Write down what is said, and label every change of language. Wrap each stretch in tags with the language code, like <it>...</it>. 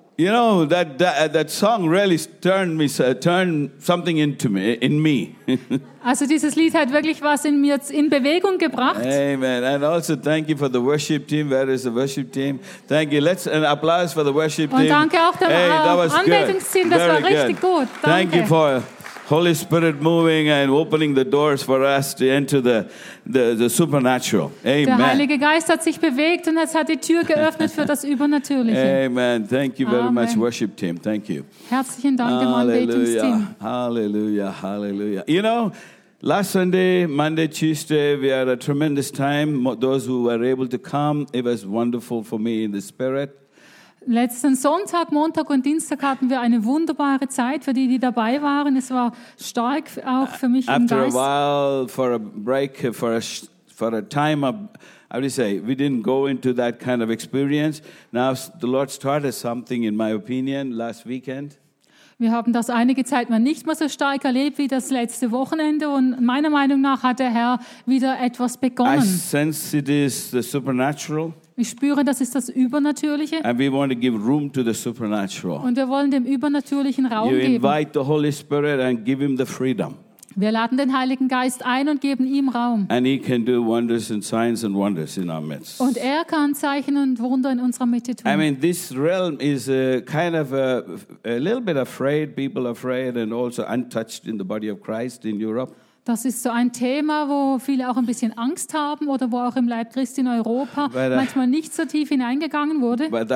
<en>You know, that song really turned something into me.</en> <de>Also dieses Lied hat wirklich was in mir in Bewegung gebracht.</de> <en>Amen. And also thank you for the worship team. Where is the worship team? Thank you. Let's an applause for the worship team.</en> <de>Und danke auch dem Anbetungsteam. Das war richtig gut.</de> <en>Thank you for Holy Spirit moving and opening the doors for us to enter the supernatural. Amen.</en> <de>Der Heilige Geist hat sich bewegt und es hat die Tür geöffnet für das Übernatürliche.</de> <en>Amen. Thank you very much, worship team. Thank you.</en> <de>Herzlichen Dank, Anbetungsteam. Hallelujah. Hallelujah. Hallelujah.</de> <en>You know, last Sunday, Monday, Tuesday, we had a tremendous time. Those who were able to come, it was wonderful for me in the spirit.</en> <de>Letzten Sonntag, Montag und Dienstag hatten wir eine wunderbare Zeit für die dabei waren. Es war stark auch für mich</de> <en>After</en> <de>im Geist.</de> <en>After a while, for a break, for a time of, how do you say, we didn't go into that kind of experience. Now the Lord started something, in my opinion, last weekend.</en> <de>Wir haben das einige Zeit mal nicht mehr so stark erlebt wie das letzte Wochenende und meiner Meinung nach hat der Herr wieder etwas begonnen.</de> <en>I sense it is the supernatural.</en> <de>Ich spüre, das ist das Übernatürliche.</de> <en>And we want to give room to the supernatural.</en> <de>Und wir wollen dem Übernatürlichen Raum geben.</de> <en>You invite the Holy Spirit and give him the freedom.</en> <de>Wir laden den Heiligen Geist ein und geben ihm Raum.</de> <en>And he can do wonders and signs and wonders in our midst.</en> <de>Und er kann Zeichen und Wunder in unserer Mitte tun.</de> <en>I mean, this realm is a kind of a little bit afraid, people afraid and also untouched in the body of Christ in Europe.</en> <de>Das ist so ein Thema, wo viele auch ein bisschen Angst haben oder wo auch im Leib Christi in Europa manchmal nicht so tief hineingegangen wurde.</de>